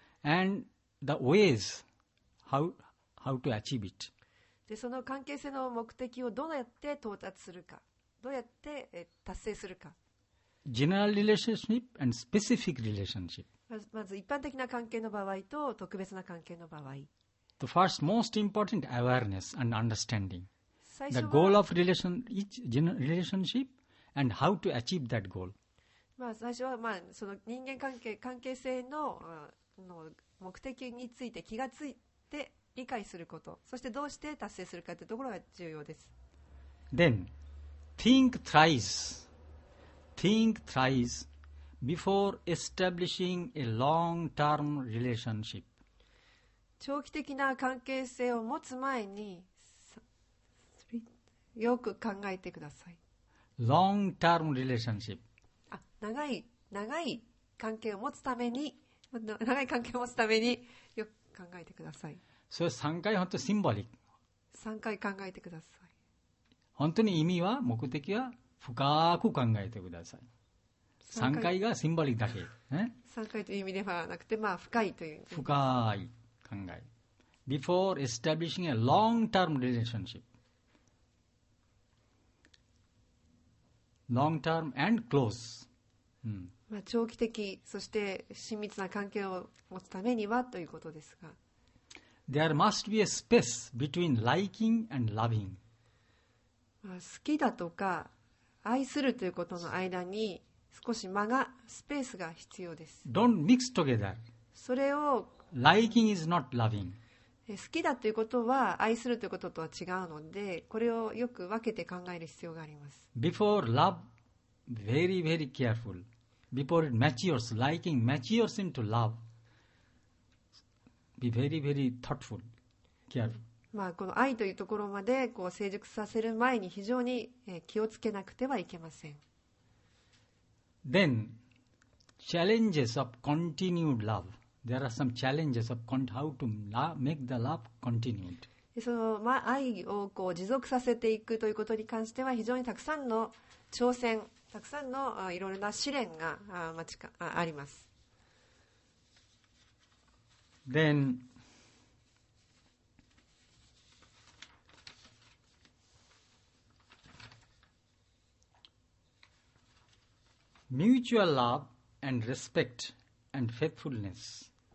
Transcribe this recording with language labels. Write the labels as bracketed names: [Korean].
[English] And the ways, how to achieve it. [Japanese] でその関係性の目的をどうやって到達するか、どうやって達成するか。 [English] General relationship and specific relationship. [Japanese] まず一般的な関係の場合と特別な関係の場合。 [English] The first most important awareness and understanding. [Japanese] 最初は [English] The goal of relation, each relationship and how to achieve that goal. [Japanese] まあ最初は、まあ、その人間関係性 の目的について気がついて理解すること、そしてどうして達成するかというところが重要です。 [English] Then, think thrice before establishing a long-term relationship. [Japanese] 長期的な関係性を持つ前に、よく考えてください。 [English] Long-term relationship. [Japanese] あ、長い関係を持つために、長い関係を持つためによく考えてください。それ3回本当にシンボリック 3回考えてください。本当に意味は目的は深く考えてください。 3回がシンボリックだけ、ね、 3回という意味ではなくて、まあ、深いという深い考え [English] Before establishing a long term relationship long term and close、うん、 [Japanese] まあ、長期的そして親密な関係を持つためにはということですが、 [English] There must be a space between liking and loving. [Japanese] 好きだとか愛するということの間に少し間がスペースが必要です。 [English] Don't mix together. [Japanese] それを [English] Liking is not loving. [Japanese] 好きだということは愛するということとは違うので、これをよく分けて考える必要があります。 [English] Before love, very very careful. Before it matures, liking matures into love. Be very very thoughtful, careful. [Japanese] まあ、この愛というところまでこう成熟させる前に非常に気をつけなくてはいけません。 [English] Then, challenges of continued love. There are some challenges of how to make the love continued. [Japanese] その、まあ、愛をこう持続させていくということに関しては非常にたくさんの挑戦、たくさんのいろいろな試練が待ちかあります。 [English] Then, mutual love and respect and faithfulness.